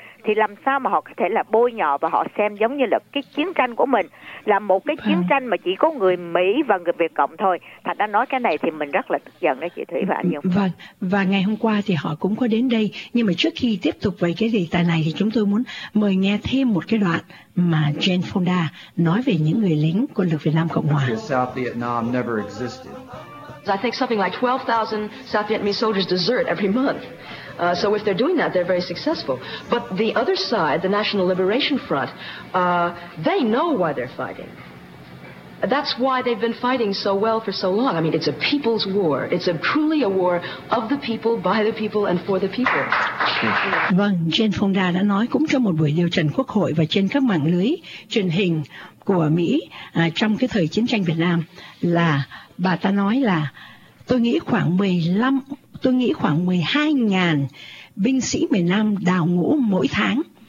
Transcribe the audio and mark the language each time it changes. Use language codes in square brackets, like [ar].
[vi] Thì làm sao mà họ có thể là bôi nhọ và họ xem giống như là cái chiến tranh của mình là một cái chiến tranh mà chỉ có người Mỹ và người Việt Cộng thôi. Thành đã nói cái này thì mình rất là tức giận đó chị Thủy và anh Dung. Vâng, và ngày hôm qua thì họ cũng có đến đây. Nhưng mà trước khi tiếp tục về cái đề tài này thì chúng tôi muốn mời nghe thêm một cái đoạn mà Jane Fonda nói về những người lính quân lực Việt Nam Cộng Hòa. [en] South Vietnam never existed. I think something like 12,000 South Vietnamese soldiers desert every month. So if they're doing that, they're very successful. But the other side, the National Liberation Front, they know why they're fighting. That's why they've been fighting so well for so long. I mean, it's a people's war. It's a truly a war of the people, by the people, and for the people. [vi] Vâng, Jane Fonda đã nói cũng trong một buổi điều trần quốc hội và trên các mạng lưới truyền hình của Mỹ trong cái thời chiến tranh Việt Nam, là bà ta nói là tôi nghĩ khoảng 12.000 binh sĩ miền Nam đào ngũ mỗi tháng.